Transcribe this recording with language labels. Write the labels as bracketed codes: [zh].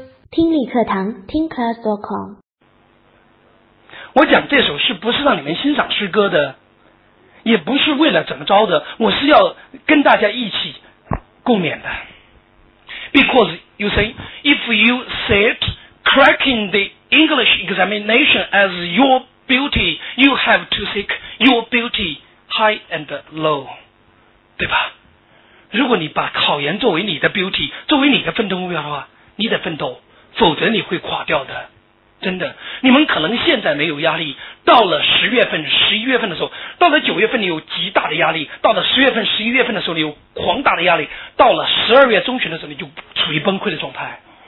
[zh] 听力课堂，听 class.com。我讲这首诗不是让你们欣赏诗歌的，也不是为了怎么着的，我是要跟大家一起共勉的。 [en] Because you say, if you set cracking the English examination as your beauty, you have to seek your beauty high and low, [zh] 对吧？如果你把考研作为你的 beauty, 作为你的奋斗目标的话，你得奋斗，否则你会垮掉的。真的，你们可能现在没有压力，到了十月份十一月份的时候，到了九月份你有极大的压力，到了十月份十一月份的时候你有狂大的压力，到了十二月中旬的时候你就处于崩溃的状态。